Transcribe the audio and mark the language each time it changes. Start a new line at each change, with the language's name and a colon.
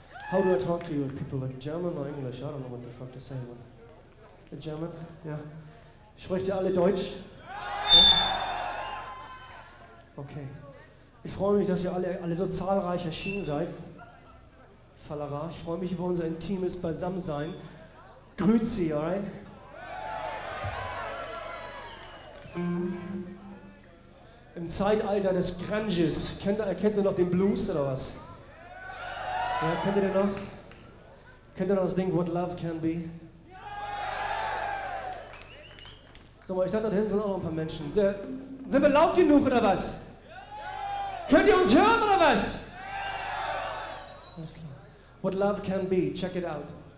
English: To you with people like German or English, I don't know what the fuck to say. But a German, yeah.
German: Sprecht ihr alle Deutsch? Yeah. Okay. Ich freue mich, dass ihr alle so zahlreich erschienen seid. Fallera, ich freue mich über unser intimes Beisammensein. Grüezi, alright? Im Zeitalter des Grunges, kennt ihr noch den Blues oder was? Ja, kennt ihr den noch? Kennt ihr noch das Ding, What Love Can Be? So, ich dachte, da hinten sind auch noch ein paar Menschen. Sind wir laut genug oder was? Könnt ihr uns hören oder was? Alles klar.
English: What Love Can Be, check it out.